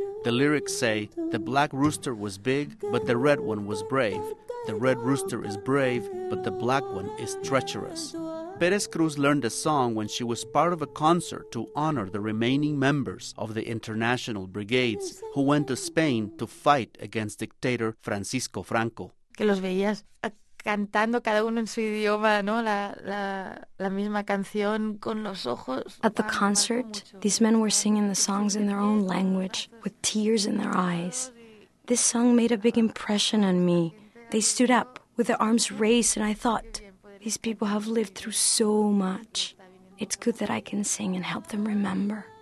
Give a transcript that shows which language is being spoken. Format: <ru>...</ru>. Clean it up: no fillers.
<en>The lyrics say, the black rooster was big, but the red one was brave. The red rooster is brave, but the black one is treacherous. Pérez Cruz learned the song when she was part of a concert to honor the remaining members of the international brigades who went to Spain to fight against dictator Francisco Franco.</en> <es>Que los veías cantando cada uno en su idioma, ¿no? La misma canción con los ojos.</es> <en>At the concert, these men were singing the songs in their own language with tears in their eyes. This song made a big impression on me. They stood up with their arms raised and I thought, these people have lived through so much. It's good that I can sing and help them remember.</en>